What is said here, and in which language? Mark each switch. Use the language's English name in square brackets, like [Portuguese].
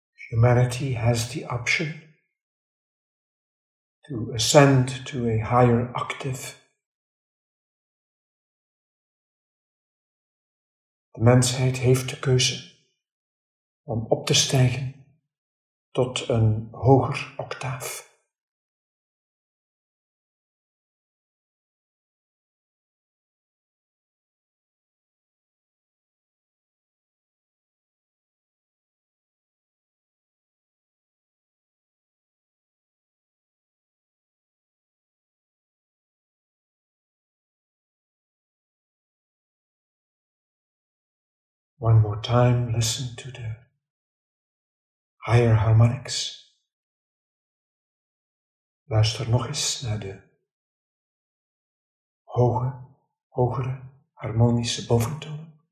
[English] humanity has the option to ascend to a higher octave. [Dutch] De mensheid heeft de keuze om op te stijgen tot een hoger octaaf. [English] One more time, listen to the higher harmonics. [Dutch] Luister nog eens naar de hogere harmonische boventoon.